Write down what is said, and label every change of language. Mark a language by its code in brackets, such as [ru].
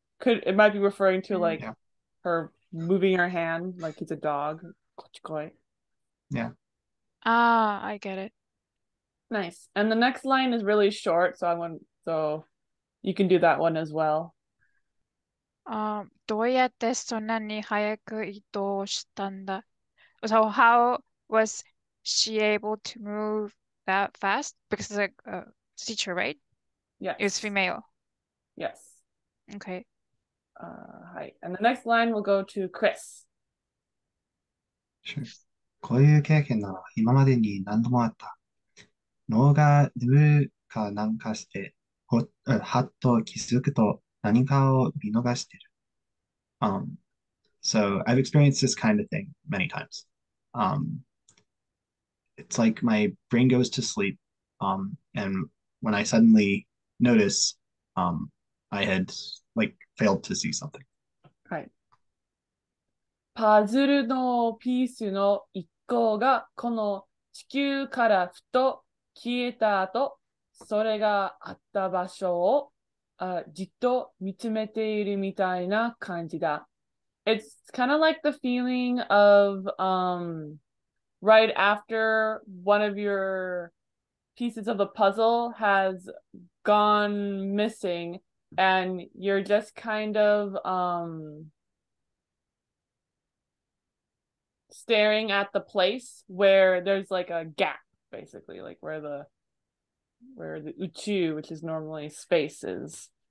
[en] Could it might be referring to like her moving her hand like it's a dog. Yeah. I get it. Nice. And the next line is really short, so I want so you can do that one as well. [ja] どうやってそんなに早く移動したんだ? [en] So how was she able to move that fast? Because it's like a teacher, right? Yes. It was female. Yes. Okay. Hi. And the next line will go to Chris. Sure. [ja] こういう経験なら今までに何度もあった。脳が眠るかなんかしてハッと気づくと何かを見逃してる。 [en] So I've experienced this kind of thing many times. It's like my brain goes to sleep, and when I suddenly notice, I had like failed to see something. Right. [ja] パズルのピースの一個がこの地球からふと消えた後、それがあった場所をじっと見つめているみたいな感じだ。 [en] It's kind of like the feeling of right after one of your pieces of the puzzle has gone missing and you're just kind of staring at the place where there's like a gap, basically, like where the uchu, which is normally space, is.